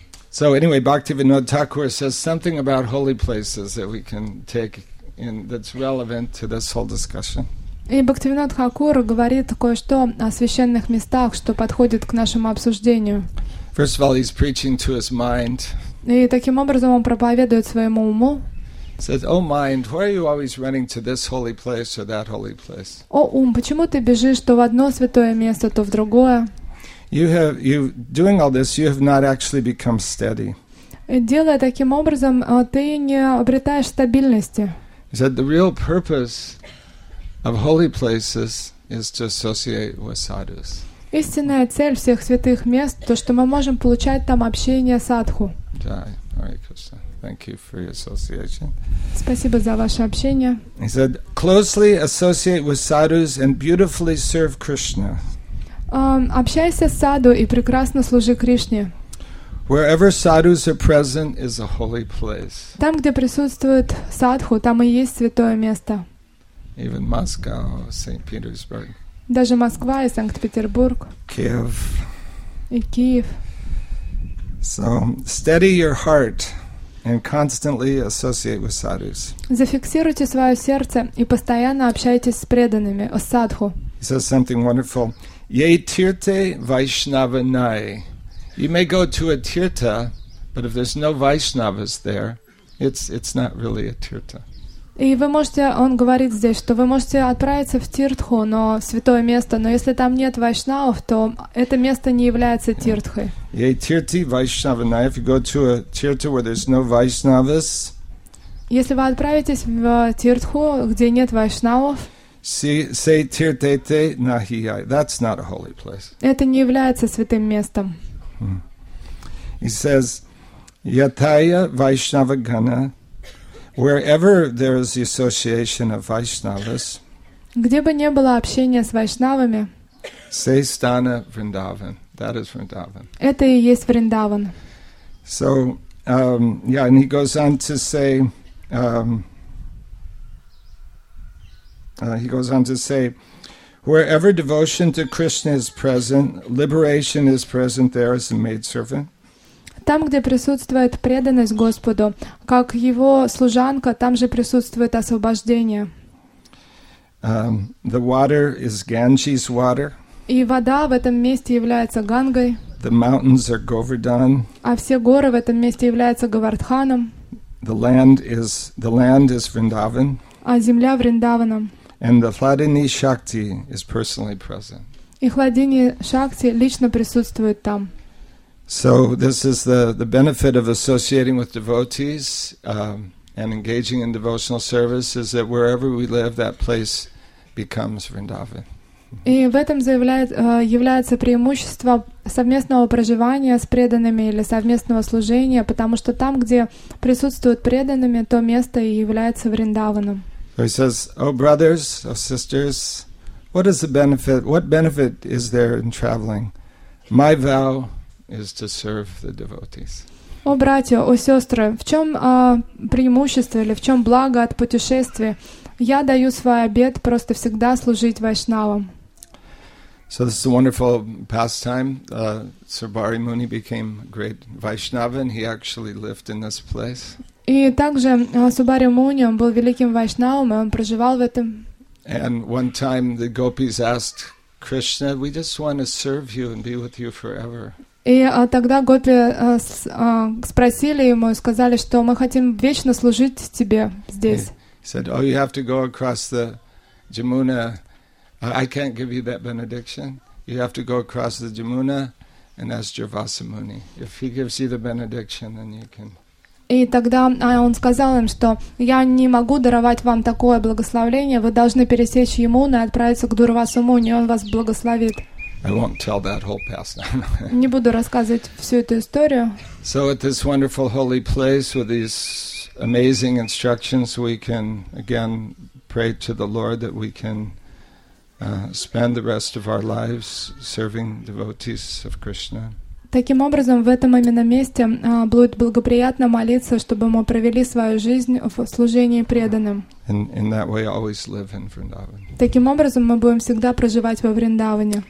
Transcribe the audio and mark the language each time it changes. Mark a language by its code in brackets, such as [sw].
[en] So anyway, Bhaktivinoda Thakur says something about holy places that we can take in that's relevant to this whole discussion. [ru] И Бхактивинод Хакур говорит кое-что о священных местах, что подходит к нашему обсуждению. [en] First of all, he's preaching to his mind. [ru] И таким образом он проповедует своему уму. [en] Says, "Oh mind, why are you always running to this holy place or that holy place?" [ru] О ум, почему ты бежишь то в одно святое место, то в другое? [en] You doing all this, you have not actually become steady. [ru] Делая таким образом, ты не обретаешь стабильности. [en] He said the real purpose of holy places is to associate with sadhus. [ru] Истинная цель всех святых мест то, что мы можем получать там общение с садху. [en] Jai, Hare Krishna. Thank you for your association. [ru] Спасибо за ваше общение. [en] He said closely associate with sadhus and beautifully serve Krishna. [ru] Общайся с саду и прекрасно служи Кришне. [en] Wherever sadhus are present is a holy place. [ru] Там, где присутствует садху, там и есть святое место. [en] Even Moscow, St. Petersburg. [ru] Даже Москва и Санкт-Петербург. Киев. И Киев. [en] So steady your heart and constantly associate with sadhus. [ru] Зафиксируйте свое сердце и постоянно общайтесь с преданными, с садху. [en] He says something wonderful. [bn] Ye tirte Vaishnava nai. [en] You may go to a tirta, but if there's no Vaishnavas there, it's not really a tirta. [ru] И вы можете, он говорит здесь, что вы можете отправиться в тиртху, но святое место, но если там нет вайшнавов, то это место не является тиртхой. [bn] Ye tirte Vaishnava nai. [en] If you go to a tirta where there's no Vaishnavas. [ru] Если вы отправитесь в тиртху, где нет вайшнавов. [bn] Say tirtete nahiyai. [en] That's not a holy place. [ru] Это не является святым местом. [en] He says, [bn] Yataya Vaishnava Gana, [en] wherever there is the association of Vaishnavas. [ru] Где бы не было общения с вайшнавами. [bn] Se stane Vrindavan. [en] That is Vrindavan. [ru] Это и есть Вриндаван. [en] So, yeah, and he goes on to say, wherever devotion to Krishna is present, liberation is present there as a maidservant. [ru] Там, где присутствует преданность Господу, как его служанка, там же присутствует освобождение. [en] The water is Ganges water. [ru] И вода в этом месте является Гангой. [en] The mountains are Govardhan. [ru] А все горы в этом месте являются Говардханом. [en] The land is Vrindavan. [ru] А земля Вриндаваном. [en] And the Hladini Shakti is personally present. [ru] И Хладини Шакти лично присутствует там. [en] So this is the benefit of associating with devotees and engaging in devotional service is that wherever we live, that place becomes Vrindavan. [ru] И в этом является преимущество совместного проживания с преданными или совместного служения, потому что там, где присутствуют преданными, то место и является Вриндаваном. [en] So he says, oh brothers, oh sisters, what is the benefit? What benefit is there in traveling? My vow is to serve the devotees. [ru] О братья, о сестры, в чем преимущество или в чем благо от путешествия? Я даю свой обет просто всегда служить вайшнавам. [en] So this is a wonderful pastime. Sarbari Muni became great Vaishnava, and he actually lived in this place. [ru] И также Субари Муни, он был великим вайшнавом, и он проживал в этом. [en] And one time the gopis asked Krishna, "We just want to serve you and be with you forever." [ru] И тогда гопи спросили ему и сказали, что мы хотим вечно служить тебе здесь. [en] He said, "Oh, you have to go across the Jamuna. I can't give you that benediction. You have to go across the Jamuna and ask Jarvasa Muni. If he gives you the benediction, then you can." [ru] И тогда он сказал им, что я не могу даровать вам такое благословение. Вы должны пересечь Ямуну и отправиться к Дурвасу Муни. Он вас благословит. [en] I won't tell that whole pastime. [ru] Не буду рассказывать всю эту историю. [en] So at this wonderful holy place with these amazing instructions, we can again pray to the Lord that we can spend the rest of our lives serving devotees of Krishna. [ru] Таким образом, в этом именно месте будет благоприятно молиться, чтобы мы провели свою жизнь в служении преданным. [en] In that way, always live in Vrindavan. [ru] Таким образом, мы будем всегда проживать во Вриндаване.